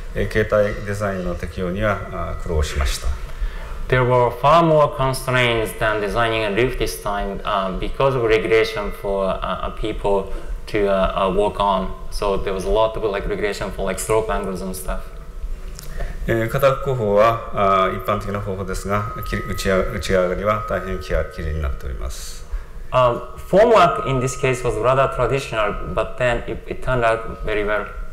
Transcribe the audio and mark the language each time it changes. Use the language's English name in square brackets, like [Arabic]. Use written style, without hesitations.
[Japanese] 床の場合は歩行障害を生じないように勾配を微妙に調整するなど形態デザインの適用には苦労しました。 [English] There were far more constraints than designing a roof this time because of regulation for people to walk on. So there was a lot of like regulation for like slope angles and stuff. [Japanese] 型工法は一般的な方法ですが、打ち上がりは大変綺麗になっております。 [English] Formwork in this case was rather traditional, but then it turned out very well.